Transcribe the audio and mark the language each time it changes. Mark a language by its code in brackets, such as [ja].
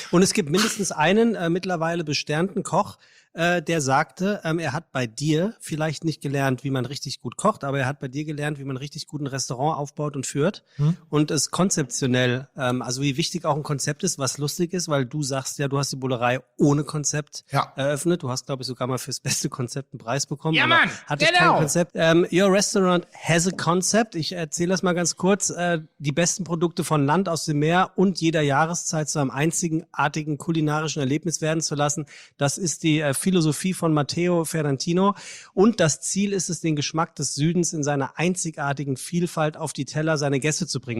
[de] Und es gibt mindestens einen mittlerweile besternten Koch, der sagte, er hat bei dir vielleicht nicht gelernt, wie man richtig gut kocht, aber er hat bei dir gelernt, wie man richtig gut ein Restaurant aufbaut und führt. Und es konzeptionell, also wie wichtig auch ein Konzept ist, was lustig ist, weil du sagst ja, du hast die Bullerei ohne Konzept eröffnet. Du hast, glaube ich, sogar mal fürs beste Konzept einen Preis bekommen. Ja, Mann, genau. Kein Konzept. [en] Your restaurant has a concept. [de] Ich erzähle das mal ganz kurz. Die besten Produkte von Land, aus dem Meer und jeder Jahreszeit zu einem einzigartigen kulinarischen Erlebnis werden zu lassen. Das ist die Philosophie von Matteo Ferrantino und das Ziel ist es, den Geschmack des Südens in seiner einzigartigen Vielfalt auf die Teller seiner Gäste zu bringen.